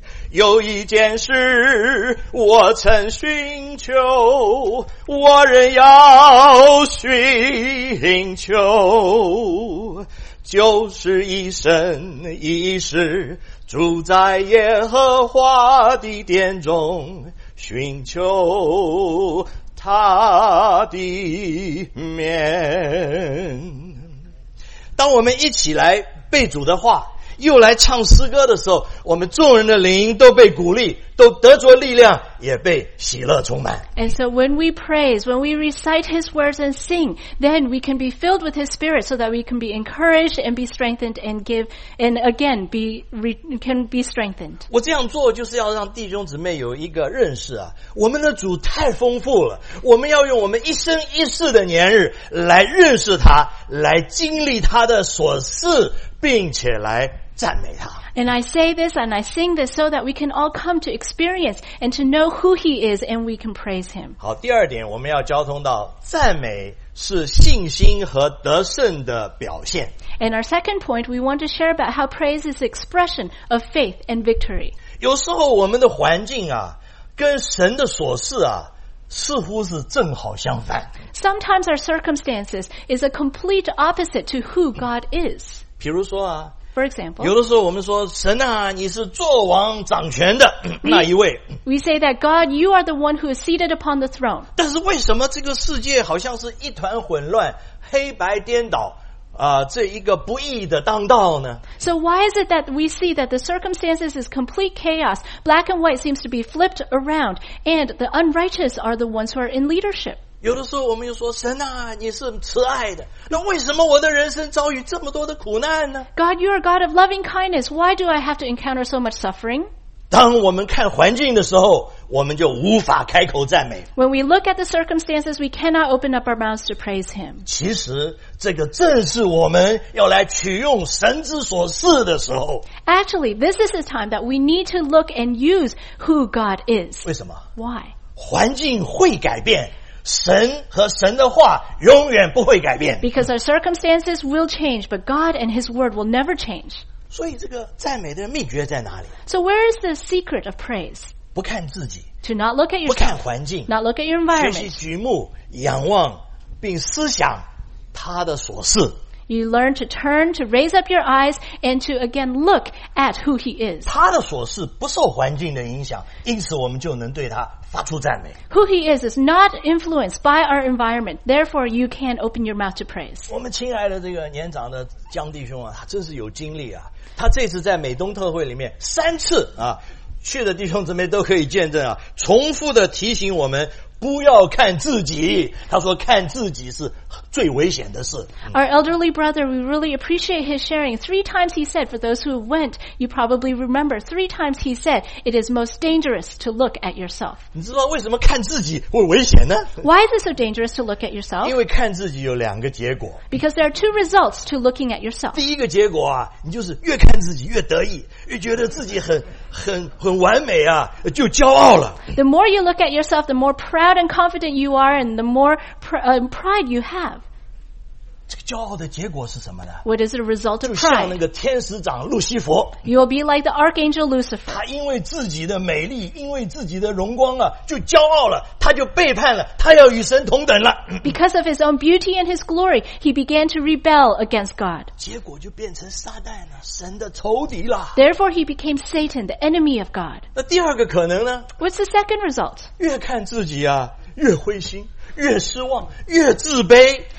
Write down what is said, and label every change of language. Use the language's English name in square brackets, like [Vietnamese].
[Chinese] 有一件事我曾寻求，我仍要寻求，就是一生一世住在耶和华的殿中，寻求他的面。当我们一起来背主的话，又来唱诗歌的时候，我们众人的灵都被鼓励，都得着力量，也被喜乐充满。 [English] And so when we praise, when we recite his words and sing, then we can be filled with his spirit so that we can be encouraged and be strengthened and give, and again, can be strengthened. [Chinese] 我这样做就是要让弟兄姊妹有一个认识啊，我们的主太丰富了，我们要用我们一生一世的年日来认识他，来经历他的所赐，并且来赞美他。 [English] And I say this and I sing this so that we can all come to experience and to know who he is and we can praise him. [Chinese] 好，第二点，我们要交通到赞美是信心和得胜的表现。 [English] And our second point, we want to share about how praise is expression of faith and victory. [Chinese] 有时候我们的环境啊，跟神的所赐啊，似乎是正好相反。 [English] Sometimes our circumstances is a complete opposite to who God is. [Chinese] 比如说啊 [English] For example, [Chinese] 有的时候我们说神啊你是作王掌权的那一位 [English] We say that God you are the one who is seated upon the throne [Chinese] 但是为什么这个世界好像是一团混乱黑白颠倒这一个不义的当道呢 [English] So why is it that we see that the circumstances is complete chaos black and white seems to be flipped around and the unrighteous are the ones who are in leadership [Chinese] 有的时候我们又说，神啊，你是慈爱的，那为什么我的人生遭遇这么多的苦难呢？ [English] God, you are a God of loving kindness. Why do I have to encounter so much suffering? [Chinese] 当我们看环境的时候，我们就无法开口赞美。 [English] When we look at the circumstances, we cannot open up our mouths to praise Him. [Chinese] 其实这个正是我们要来取用神之所赐的时候。 [English] Actually, this is the time that we need to look and use who God is. [Chinese] 为什么？ [English] Why? [Chinese] 环境会改变。神和神的话永远不会改变。 [English] Because our circumstances will change, but God and His word will never change. [Chinese] 所以这个赞美的秘诀在哪里？ [English] So where is the secret of praise? [Chinese] 不看自己。 [English] To not look at yourself. [Chinese] 不看环境。 [English] Not look at your environment. [Chinese] 学习举目仰望并思想他的所事。 [English] You learn to turn, to raise up your eyes, and to again look at who He is. [Chinese] 他的所事不受环境的影响，因此我们就能对他发出赞美。 [English] Who He is not influenced by our environment. Therefore, you can open your mouth to praise. [Chinese] 我们亲爱的这个年长的江弟兄啊，他真是有经历啊！他这次在美东特会里面三次啊，去的弟兄姊妹都可以见证啊，重复的提醒我们。不要看自己，他说看自己是最危险的事。 [English] Our elderly brother, we really appreciate his sharing. Three times he said, for those who went, you probably remember, three times he said, it is most dangerous to look at yourself. [Chinese] 你知道为什么看自己会危险呢？ [English] Why is it so dangerous to look at yourself? [Chinese] 因为看自己有两个结果。 [English] Because there are two results to looking at yourself. [Chinese] 第一个结果啊，你就是越看自己越得意，越觉得自己很完美啊，就骄傲了。 [English] The more you look at yourself, the more proud and confident you are, and the more pride you have. [Chinese] 这个骄傲的结果是什么呢？ [English] What is the result of pride? [Chinese] 就像那个天使长路西佛。 [English] You will be like the archangel Lucifer. [Chinese] 他因为自己的美丽，因为自己的荣光啊，就骄傲了，他就背叛了，他要与神同等了。 Because of his own beauty and his glory, he began to rebel against God. 结果就变成撒旦了，神的仇敌了。 [English] Therefore, he became Satan, the enemy of God. [Chinese] 那第二个可能呢？ [English] What's the second result? [Chinese] 越看自己啊，越灰心。越失望，越自卑。